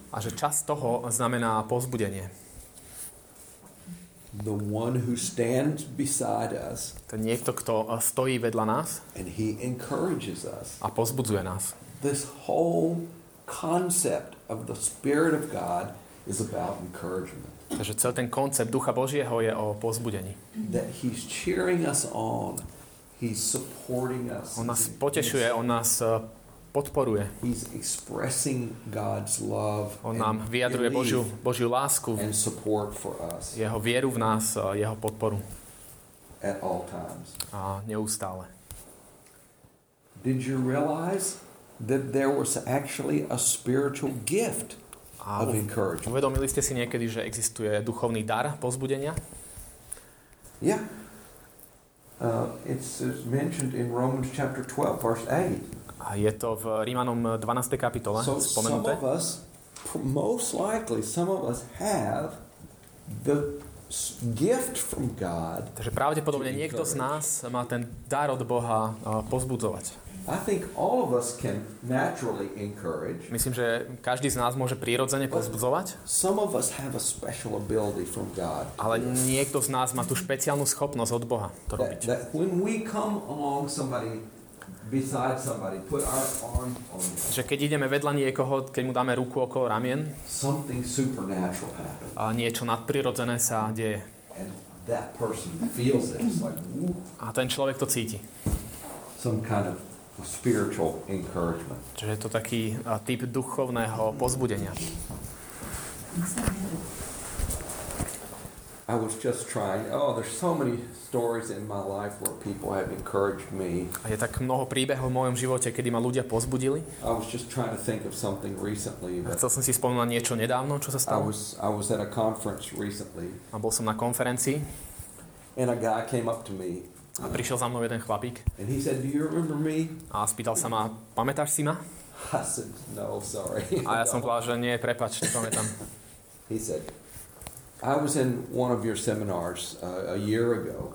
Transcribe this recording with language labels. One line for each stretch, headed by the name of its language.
Slovak: A že časť toho znamená povzbudenie.
English: The one who stands beside us,
Slovak: to niekto, kto stojí vedľa nás,
English: and he encourages us,
Slovak: a povzbudzuje nás.
English: This whole concept of the Spirit of God is about encouragement.
Slovak: Takže celý ten koncept Ducha Božieho je o povzbudení.
English: That he's cheering us on. He's supporting us.
Slovak: On nás potešuje, on nás podporuje.
English: He's expressing God's love.
Slovak: On nám vyjadruje Božiu lásku.
English: And support for us.
Slovak: Jeho vieru v nás, jeho podporu.
English: At all times.
Slovak: A neustále.
English: Did you realize that there was actually a spiritual gift of encouragement?
Slovak: Uvedomili ste si niekedy, že existuje duchovný dar povzbudenia? Yeah.
English: It's mentioned in Romans chapter 12, verse 8.
Slovak: A je to v Rímanom 12. kapitole spomenuté.
English: Some of us, most likely, some of us have the gift from God.
Slovak: Takže pravdepodobne niekto z nás má ten dar od Boha povzbudzovať.
English: I think all of us can naturally encourage.
Slovak: Myslím, že každý z nás môže prirodzene povzbudzovať.
English: Some of us have a special ability from God.
Slovak: Ale niekto z nás má tú špeciálnu schopnosť od Boha to robiť.
English: That when we come along somebody beside somebody, put our arm on.
Slovak: Že keď ideme vedľa niekoho, keď mu dáme ruku okolo ramien,
English: something supernatural happens.
Slovak: A niečo nadprirodzené sa deje.
English: And that person feels it. It's like,
Slovak: a ten človek to cíti.
English: Some kind of spiritual encouragement.
Slovak: Čiže je to taký typ duchovného povzbudenia.
English: I was just trying. There's so many stories in my life where people have encouraged me.
Slovak: A je tak mnoho príbehov v mojom živote, kedy ma ľudia povzbudili.
English: I was just trying to think of something recently.
Slovak: Chcel som si spomenúť niečo nedávno, čo sa stalo.
English: I was at a conference recently.
Slovak: A bol som na konferencii.
English: And a guy came up to me.
Slovak: A prišiel za mnou jeden chlapík.
English: And he said, "Do you remember me?"
Slovak: A spýtal sa ma, pamätáš si ma?
English: I said, "No, sorry."
Slovak: A ja som povedal, že nie, prepáč, nepamätám.
English: He said, "I was in one of your seminars a year ago."